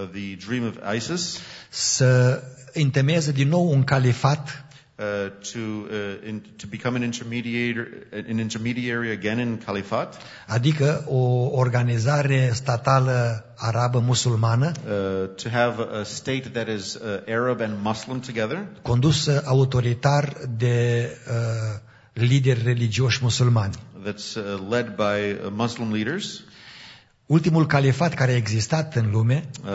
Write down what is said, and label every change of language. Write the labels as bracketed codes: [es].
[en] The dream of ISIS. [ro] Să întemeieze din nou un califat. [en] to become an intermediary again in Caliphate, [ro] adică o organizare statală arabă musulmană, [en] to have a state that is Arab and Muslim together, [ro] condusă autoritar de lideri religioși musulmani. [en] That's led by Muslim leaders. [ro] Ultimul califat care a existat în lume,